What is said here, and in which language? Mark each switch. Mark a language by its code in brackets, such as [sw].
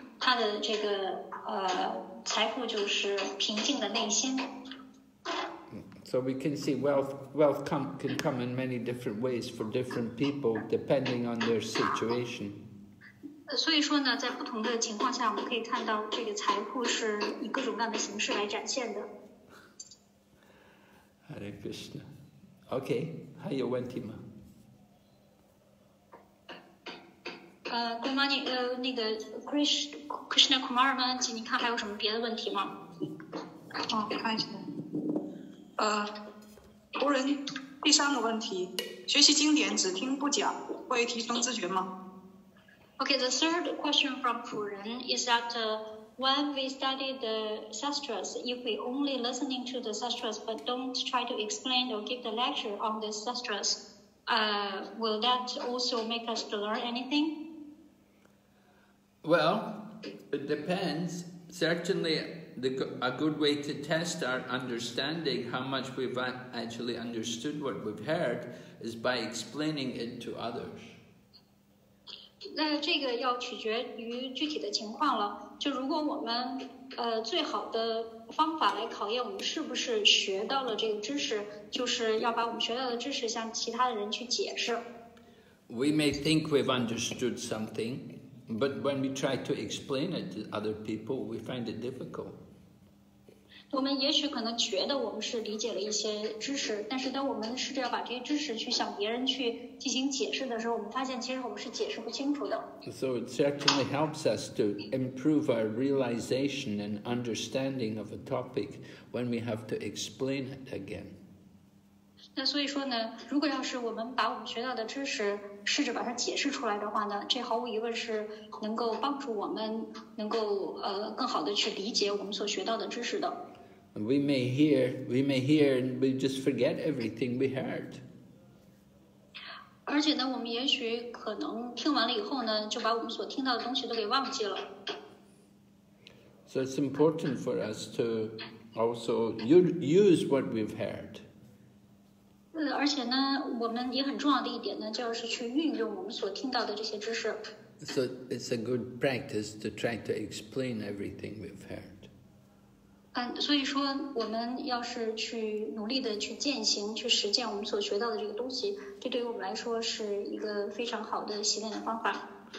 [zh] 他的这个财富就是平静的内心。 [en] So we can see wealth can come in many different ways for different people depending on their situation. [zh] 所以说呢，在不同的情况下，我们可以看到这个财富是以各种各样的形式来展现的。 [en] Hare Krishna. Okay, [zh] 还有问题吗？ Kumani, 那个 Krishna Kumar 吗？请你看还有什么别的问题吗？看一下。仆人第三个问题，学习经典只听不讲，会提升自觉吗？ [en] Okay, the third question from 仆人 is that when we study the sastras, if we only listening to the sastras but don't try to explain or give the lecture on the sastras, will that also make us to learn anything? Well, it depends. Certainly, a good way to test our understanding, how much we've actually understood what we've heard, is by explaining it to others. [zh] 那这个要取决于具体的情况了。就如果我们最好的方法来考验我们是不是学到了这个知识，就是要把我们学到的知识向其他的人去解释。 [en] We may think we've understood something, but when we try to explain it to other people, we find it difficult. [zh] 我们也许可能觉得我们是理解了一些知识，但是当我们试着要把这些知识去向别人去进行解释的时候，我们发现其实我们是解释不清楚的。 [en] So it certainly helps us to improve our realization and understanding of a topic when we have to explain it again. [zh] 那所以说呢，如果要是我们把我们学到的知识试着把它解释出来的话呢，这毫无疑问是能够帮助我们能够更好的去理解我们所学到的知识的。 [en] We may hear and we just forget everything we heard. [zh] 而且呢，我们也许可能听完了以后呢，就把我们所听到的东西都给忘记了。 [en] So it's important for us to also use what we've heard. [zh] 而且呢，我们也很重要的一点呢，就是去运用我们所听到的这些知识。 [en] So it's a good practice to try to explain everything we've heard. [zh] 所以说我们要是去努力的去践行去实践我们所学到的这个东西，这对于我们来说是一个非常好的习练的方法。